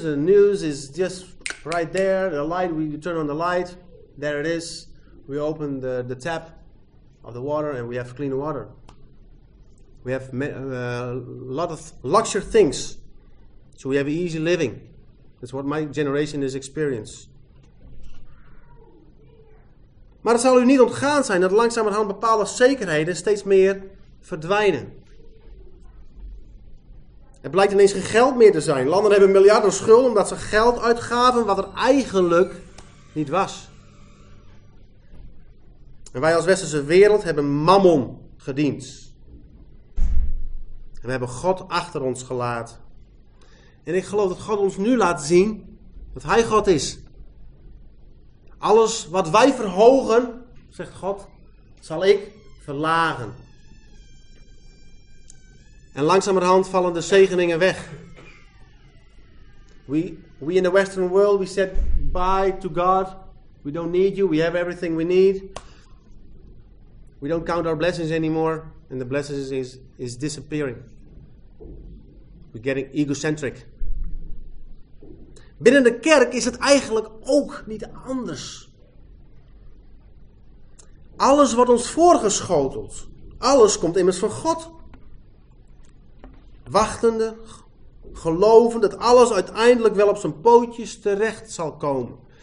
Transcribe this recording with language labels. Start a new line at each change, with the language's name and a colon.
English: The news is just right there. The light, we turn on the light. There it is. We open the tap of the water and we have clean water. We have a lot of luxury things. So we have easy living. That's what my generation has experienced.
Dutch: Maar het zal u niet ontgaan zijn dat langzamerhand bepaalde zekerheden steeds meer verdwijnen. Er blijkt ineens geen geld meer te zijn. Landen hebben miljarden schulden omdat ze geld uitgaven wat er eigenlijk niet was. En wij als westerse wereld hebben mammon gediend. En we hebben God achter ons gelaten. En ik geloof dat God ons nu laat zien dat Hij God is. Alles wat wij verhogen, zegt God, zal ik verlagen. En langzamerhand vallen de zegeningen weg.
English: We in the Western world, we said bye to God. We don't need you, we have everything we need. We don't count our blessings anymore. And the blessings is disappearing. We're getting egocentric.
Dutch: Binnen de kerk is het eigenlijk ook niet anders. Alles wordt ons voorgeschoteld. Alles komt immers van God. Wachtende, gelovende dat alles uiteindelijk wel op zijn pootjes terecht zal komen.